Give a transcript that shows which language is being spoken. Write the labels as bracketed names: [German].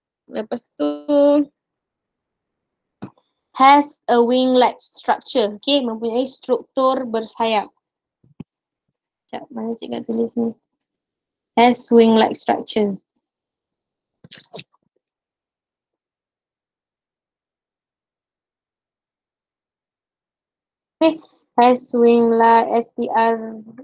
[Malay] Lepas tu, [English] has a wing-like structure. [Malay] Okay, mempunyai struktur bersayap. Sekejap, mana cikgu tulis ni? [English] Has wing-like structure. S-wing like S-T-R-U-C-E-U-R-E.